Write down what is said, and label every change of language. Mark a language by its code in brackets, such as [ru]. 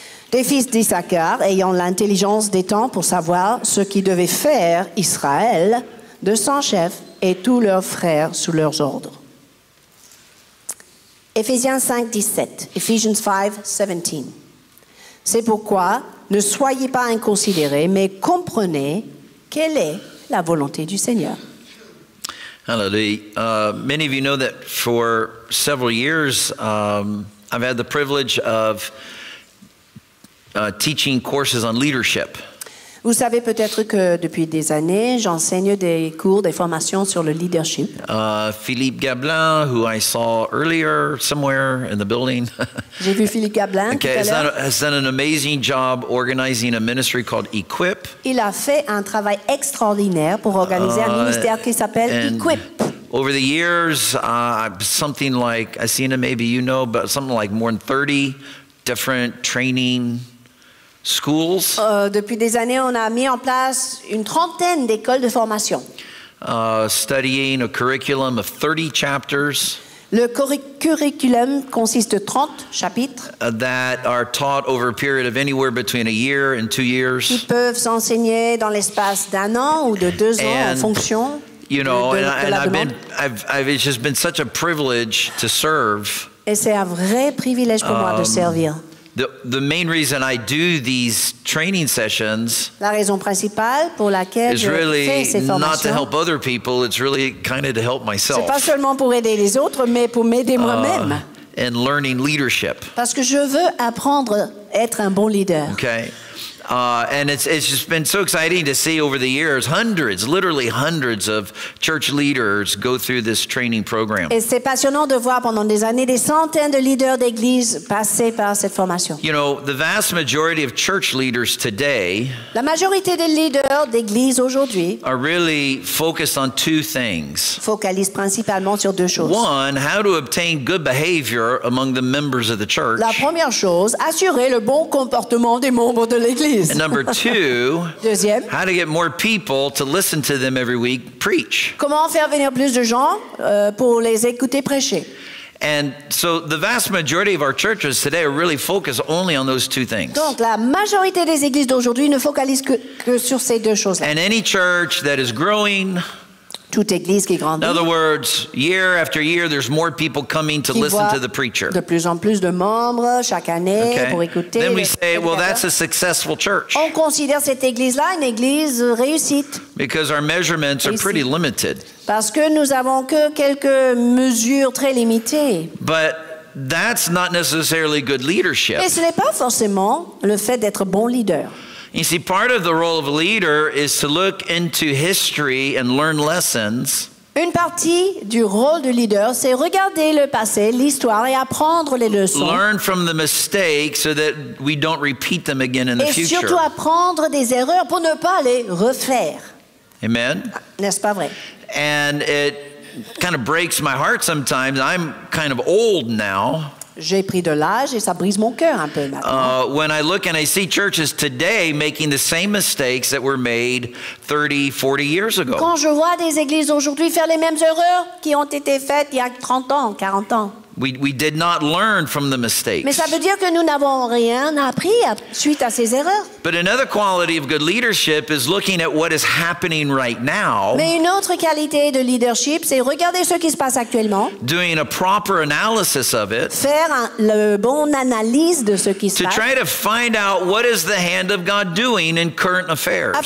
[fr] Des fils d'Issachar, ayant l'intelligence des temps pour savoir ce qu'ils devaient faire Israël, 200 chefs et tous leurs frères sous leurs ordres. Ephésiens 5, 17. Ephesians 5, 17. C'est pourquoi ne soyez pas inconsidérés, mais comprenez quelle est la volonté du Seigneur. Hallelujah. [en] Many of you know that for several years, I've had the privilege of teaching courses on leadership. [fr] Vous savez peut-être que depuis des années, j'enseigne des cours, des formations sur le leadership. [en] Philippe Gablin, who I saw earlier somewhere in the building. [fr] J'ai vu Philippe Gablin [en] okay, [fr] tout à l'heure. [en] Has done an amazing job organizing a ministry called Equip. [fr] Il a fait un travail extraordinaire pour organiser un ministère qui s'appelle Equip. [en] Over the years, something like, Asina, maybe you know, but something like more than 30 different training schools. [fr] Depuis des années, on a mis en place une trentaine d'écoles de formation. [en] Studying a curriculum of 30 chapters. [fr] Le curriculum consiste de 30 chapitres. [en] That are taught over a period of anywhere between a year and 2 years. [fr] Ils peuvent s'enseigner dans l'espace d'un an ou de deux ans en fonction. [en] You know, it's just been such a privilege to serve. [fr] Et c'est un vrai privilège pour moi de servir. [en] The main reason I do these training sessions [fr] la raison principale pour laquelle [en] is really [fr] je fais ces formations, [en] not to help other people, it's really kind of to help myself. [fr] C'est pas seulement pour aider les autres, mais pour m'aider moi-même. [en] And learning leadership. [fr] Parce que je veux apprendre à être un bon leader. [en] Okay. And it's just been so exciting to see over the years hundreds, literally hundreds of church leaders go through this training program. [fr] Et c'est passionnant de voir pendant des années des centaines de leaders d'église passer par cette formation. [en] You know, the vast majority of church leaders today [fr] la majorité des leaders d'église aujourd'hui [en] are really focused on two things. [fr] Focalisent principalement sur deux choses. [en] One, how to obtain good behavior among the members of the church. [fr] La première chose, assurer le bon comportement des membres de l'église. [en] And number two, [fr] deuxième, [en] how to get more people to listen to them every week preach. [fr] Comment faire venir plus de gens pour les écouter prêcher? [en] And so the vast majority of our churches today are really focused only on those two things. [fr] Donc la majorité des églises d'aujourd'hui ne focalise que sur ces deux choses-là. [en] And any church that is growing. [fr] Toute église qui grandit. [en] In other words, year after year, there's more people coming to listen to the preacher. [fr] De plus en plus de membres chaque année okay. pour écouter. [en] Then we say, well, that's a successful church. [fr] On considère cette église-là une église réussite. [en] Because our measurements réussite. Are pretty limited. [fr] Parce que nous avons que quelques mesures très limitées. [en] But that's not necessarily good leadership. [fr] Mais ce n'est pas forcément le fait d'être bon leader. [en] You see, part of the role of a leader is to look into history and learn lessons. [fr] Une partie du rôle du leader, c'est regarder le passé, l'histoire et apprendre les leçons. [en] Learn from the mistakes so that we don't repeat them again in the future. [fr] Et surtout apprendre des erreurs pour ne pas les refaire. [en] Amen. [fr] N'est-ce pas vrai? [en] And it kind of breaks my heart sometimes. I'm kind of old now. [fr] J'ai pris de l'âge et ça brise mon cœur un peu maintenant. [en] When I look and I see churches today making the same mistakes that were made 30, 40 years ago. [fr] Quand je vois des églises aujourd'hui faire les mêmes erreurs qui ont été faites il y a 30 ans, 40 ans. [en] We did not learn from the mistakes. [fr] Mais ça veut dire que nous n'avons rien appris suite à ces erreurs. [en] But another quality of good leadership is looking at what is happening right now. [fr] Mais une autre qualité de leadership, c'est regarder ce qui se passe actuellement. [en] Doing a proper analysis of it. [fr] Faire le bon analyse de ce qui se passe. [en] To try to find out what is the hand of God doing in current affairs.